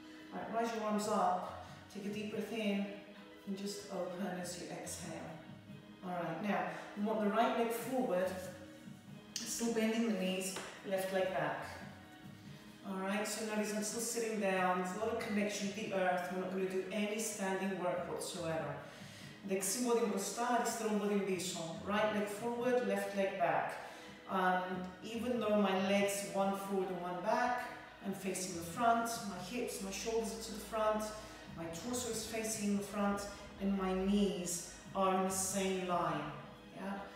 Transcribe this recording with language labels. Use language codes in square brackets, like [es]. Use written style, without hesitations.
[en] Alright, rise your arms up, take a deep breath in, and just open as you exhale. Alright, now, you want the right leg forward, still bending the knees, left leg back. Alright, so now I'm still sitting down, there's a lot of connection with the earth, we're not going to do any standing work whatsoever. [el] Δεξί μπόδι μπροστά, αριστερό μπόδι πίσω. [en] Right leg forward, left leg back. Even though my legs are one forward and one back, I'm facing the front, my hips, my shoulders are to the front, my torso is facing the front, and my knees are in the same line. Yeah?